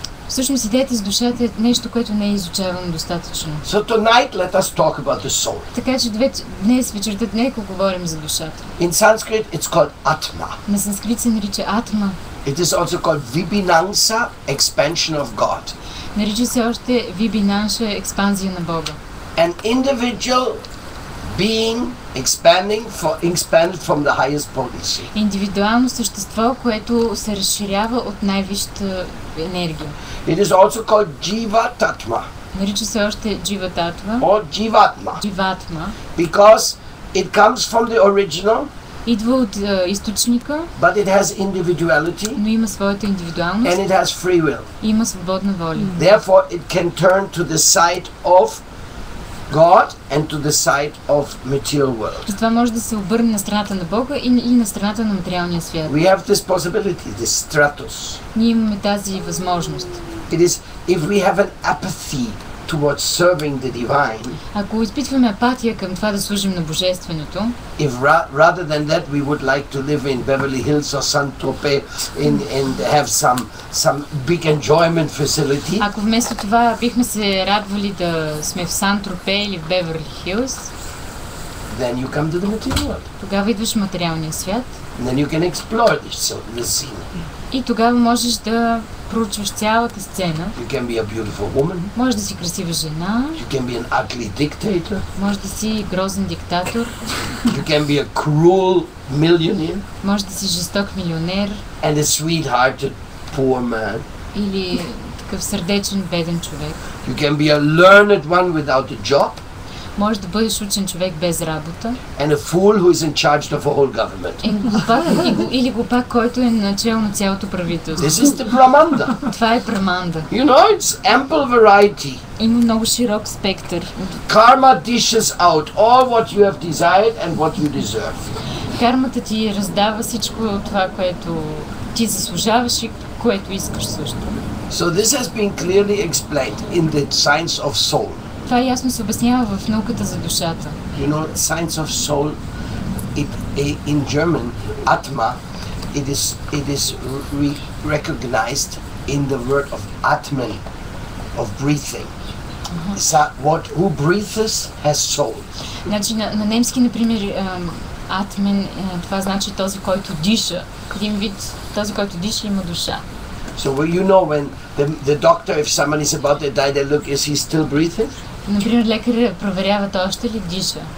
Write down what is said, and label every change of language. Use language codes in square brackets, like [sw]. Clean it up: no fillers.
[bg] Всъщност идеята с душата е нещо, което не е изучавано достатъчно. [en] So tonight let us talk about the soul. [bg] Така че днес вечерта нека говорим за душата. [en] In Sanskrit it's called Atma. [bg] На санскрит се нарича Атма. [en] It is also called Vibhinansa, expansion of God. [bg] Нарича се още Vibhinansa, експанзия на Бога. [en] An individual being expanded from the highest potency. [bg] Индивидуално същество, което се разширява от най-висшата енергия. [en] It is also called jiva tatva. [bg] Нарича се още jiva tatva. [en] Or jivatma. [bg] Jivatma. [en] Because it comes from the original. [bg] Идва от източника. [en] But it has individuality. [bg] Но има своята индивидуалност. [en] And it has free will. [bg] Има свободна воля. [en] Therefore it can turn to the side of God and to the side of material world. [bg] Това може да се обърне на страната на Бога и на страната на материалния свят. [en] We have this possibility, this stratus. [bg] Ние имаме тази възможност. [en] It is if we have an apathy towards serving the divine. [bg] Ако изпитваме апатия към това да служим на божественото. [en] If rather than that we would like to live in Beverly Hills or Saint-Tropez and have some big enjoyment facility. [bg] Ако вместо това бихме се радвали да сме в Saint-Tropez или в Beverly Hills. [en] Then you come to the material world. [bg] Тогава идваш в материалния свят. [en] Then you can explore this scene. [bg] И тогава можеш да проучваш цялата сцена. [en] You can be a beautiful woman. [bg] Може да си красива жена. [en] You can be an ugly dictator. [bg] Може да си грозен диктатор. [en] You can be a cruel millionaire. [bg] Може да си жесток милионер. [en] And a sweet-hearted poor man. [bg] Или такъв сърдечен беден човек. [en] You can be a learned one without a job. [bg] Може да бъдеш учен човек без работа. [en] And a fool who is in charge of a whole government. [bg] Или глупак, който е начело на цялото правителство. [en] This is the Brahmanda. [bg] Това е Брахманда. [en] You know, it's ample variety. [bg] Има много широк спектър. [en] Karma dishes out all what you have desired and what you deserve. [bg] Кармата ти раздава всичко това, което ти заслужаваш и което искаш също. [en] So this has been clearly explained in the science of soul. [bg] Това ясно се обяснява в науката за душата. [en] You know, science of soul, in German, Atma, it is recognized in the word of Atman, of breathing. Uh-huh. Who breathes has soul. [bg] Значи на немски, например, Atman, това значи този, който диша. Един вид, този, който диша, има душа. [en] So, well, you know, when the doctor, if someone is about to die, they look, is he still breathing? [bg] Например, лекарът проверява то още ли диша.